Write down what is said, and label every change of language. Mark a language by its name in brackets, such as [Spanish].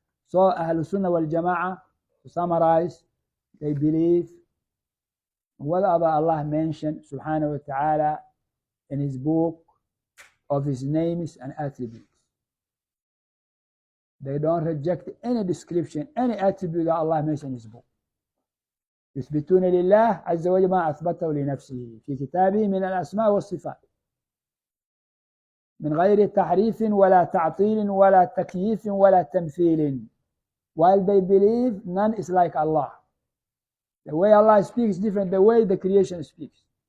[English] So [Arabic] أهل السنة والجماعة, [English] to summarize, they believe whatever Allah mentioned subhanahu wa ta'ala in his book of his names and attributes. They don't reject any description, any attribute that Allah mentioned in his book. [Arabic] يثبتون لله عز وجل ما أثبته لنفسه في كتابه من الأسماء والصفات من غير تحريف ولا تعطيل ولا تكييف ولا تمثيل. [English] While they believe, none is like Allah. The way Allah speaks is different, the way the creation speaks.